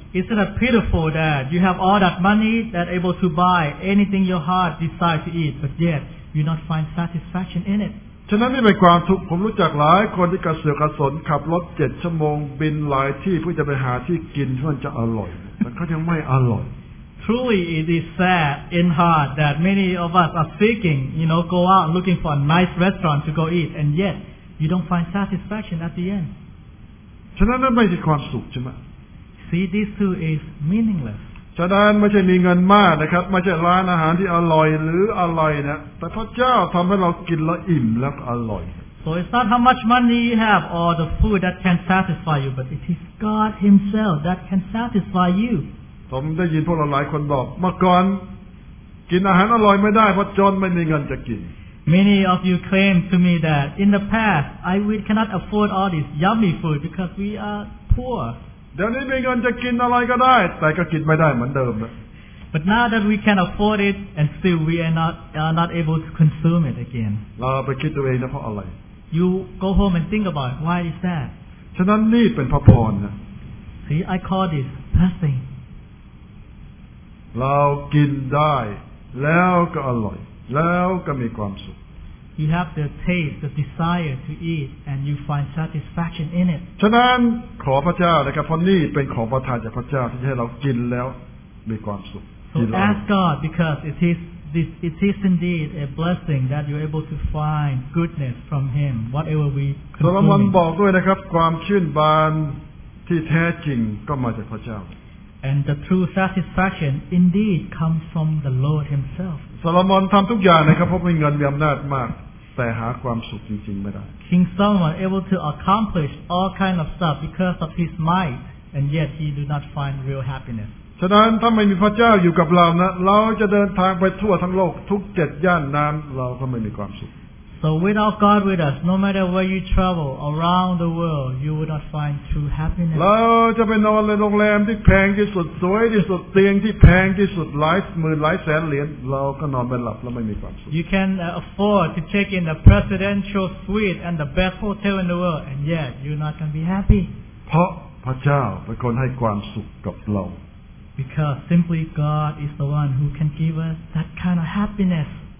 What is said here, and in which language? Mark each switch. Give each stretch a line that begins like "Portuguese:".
English: Isn't it pitiful that you have all that money that able to buy anything your heart decides to eat, but yet you not find satisfaction in it?
Thai: ฉะนั้นนี่เป็นความทุกข์ผมรู้จักหลายคนที่กระเสือกกระสนขับรถ7ชั่วโมงบินหลายที่เพื่อจะไปหาที่กินที่มันจะอร่อยแต่เขายังไม่อร่อย
English: Truly it is sad in heart that many of us are seeking you know go out looking for a nice restaurant to go eat and yet you don't find satisfaction at the end
Thai: ฉะนั้นนั่นไม่ใช่ความสุขใช่ไหม
English: See this too is meaningless
Thai: ฉะนั้นไม่ใช่มีเงินมากนะครับไม่ใช่ร้านอาหารที่อร่อยหรืออร่อยนะแต่พระเจ้าทำให้เรากินแล้วอิ่มแล้วอร่อย
English: So it's not how much money you have or the food that can satisfy you but it is God himself that can satisfy you
Thai: ผมได้ยินพวกเราหลายคนบอกเมื่อก่อนกินอาหารอร่อยไม่ได้เพราะจนไม่มีเงินจะกิน
English: Many of you claim to me that in the past I would cannot afford all this yummy food because we are poor
Thai: เดี๋ยวนี้มีเงินจะกินอะไรก็ได้แต่ก็กินไม่ได้เหมือนเดิมนะ
English: But now that we can afford it and still we are not able to consume it again
Thai: เราไปคิดตัวเองนะเพราะอะไร
English: You go home and think about it. Why is that
Thai: ฉะนั้นนี่เป็นพระพรนะ
English: See I call this blessing
Thai: เรากินได้แล้วก็อร่อยแล้วก็มีความสุข
English: You have the taste, the desire to eat, and you find satisfaction in it.
Thai: ฉะนั้นขอพระเจ้านะครับเพราะนี่เป็นของประทานจากพระเจ้าที่ให้เรากินแล้วมีความสุข
English: So ask God because it is indeed a blessing that you're able to find goodness from Him, whatever we consume.
Thai: โซโลมอนบอกด้วยนะครับความชื่นบานที่แท้จริงก็มาจากพระเจ้า
English: And the true satisfaction indeed comes from the Lord Himself.
Thai: โซโลมอนทำทุกอย่างนะครับเพราะมีเงินมีอำนาจมากแต่หาความสุขจริงๆไม่ได้
English: King Solomon able to accomplish all kind of stuff because of his might and yet he do not find real happiness
Thai: ฉะนั้นถ้าไม่มีพระเจ้าอยู่กับเรานะเราจะเดินทางไปทั่วทั้งโลกทุก7ย่านน้ำเราก็ไม่มีความสุข
English: So without God with us, no matter where you travel around the world, you would not find true happiness.
Thai: เราจะไปนอนในโรงแรมที่แพงที่สุดสวยที่สุดเตียงที่แพงที่สุดหลายหมื่นหลายแสนเหรียญเราก็นอนไปหลับแล้วไม่มีความสุข
English: You can afford to check in the presidential suite and the best hotel in the world, and yet you're not going to be happy.
Thai: เพราะพระเจ้าเป็นคนให้ความสุขกับเรา
English: Because simply God is the one who can give us that kind of happiness.